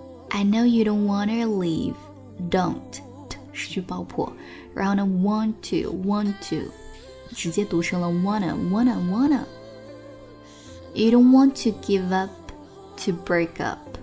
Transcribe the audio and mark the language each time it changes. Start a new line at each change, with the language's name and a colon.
English: I know you don't want to leave, don't, 失去爆破。
Chinese: 然后呢 want to, 直接读成了 wanna.
English: You don't want to give up, to break up.